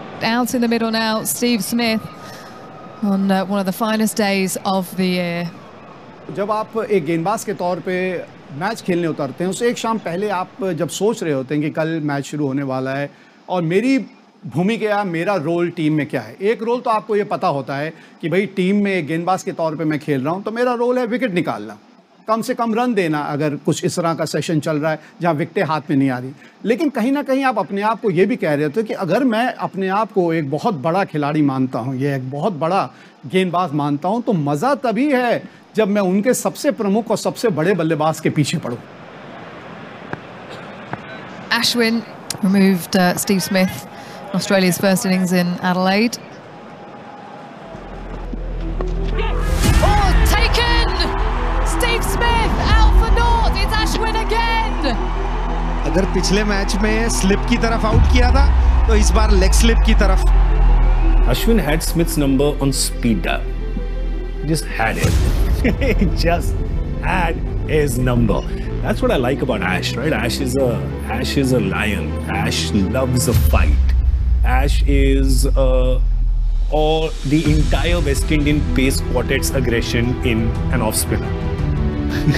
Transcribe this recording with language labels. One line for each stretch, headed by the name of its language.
English: Out in the middle now, Steve Smith on one of the finest days of the year.
Hindi: जब आप एक गेंदबाज के तौर पे मैच खेलने उतरते हैं, उससे एक शाम पहले आप जब सोच रहे होते हैं कि कल मैच शुरू होने वाला है, और मेरी भूमि क्या है, मेरा रोल टीम में क्या है. एक रोल तो आपको ये पता होता है कि भाई टीम में गेंदबाज के तौर पे मैं खेल रहा हूँ, तो मेरा रोल है विकेट निकालना, कम से कम रन देना अगर कुछ इस तरह का सेशन चल रहा है जहाँ विकेटें हाथ में नहीं आ रही. लेकिन कहीं ना कहीं आप अपने आप को ये भी कह रहे थे कि अगर मैं अपने आप को एक बहुत बड़ा खिलाड़ी मानता हूँ, ये एक बहुत बड़ा गेंदबाज मानता हूँ, तो मज़ा तभी है जब मैं उनके सबसे प्रमुख और सबसे बड़े बल्लेबाज के पीछे पड़ूं.
English: Ashwin removed Steve Smith Australia's first innings in Adelaide. Oh, taken! Steve Smith out for North. It's Ashwin again.
Hindi: अगर पिछले मैच में स्लिप की तरफ आउट किया था तो इस बार लेग स्लिप की तरफ.
English: Ashwin had Smith's number on speed dial. Just had it. Just had his number. That's what I like about Ash, right? Ash is a lion. Ash loves a fight. Ash is all the entire West Indian pace quartet's aggression in an off spinner.